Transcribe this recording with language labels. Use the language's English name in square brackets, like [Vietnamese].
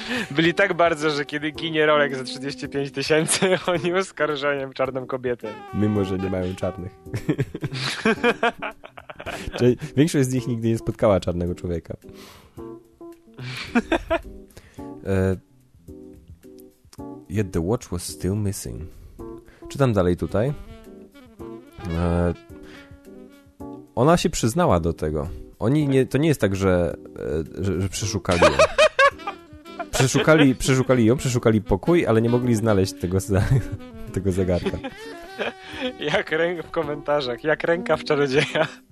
[Polish] Byli tak bardzo, że kiedy ginie Rolex za 35 tysięcy, oni oskarżają czarną kobietę. Mimo, że nie mają czarnych. Czyli większość z nich nigdy nie spotkała czarnego człowieka. [English] Yet the watch was still missing. [Polish] Czytam dalej tutaj. Ona się przyznała do tego. Oni nie, to nie jest tak, że przeszukali ją. Przeszukali ją, przeszukali pokój, ale nie mogli znaleźć tego zegarka. Jak ręka w komentarzach, jak ręka w czarodzieja.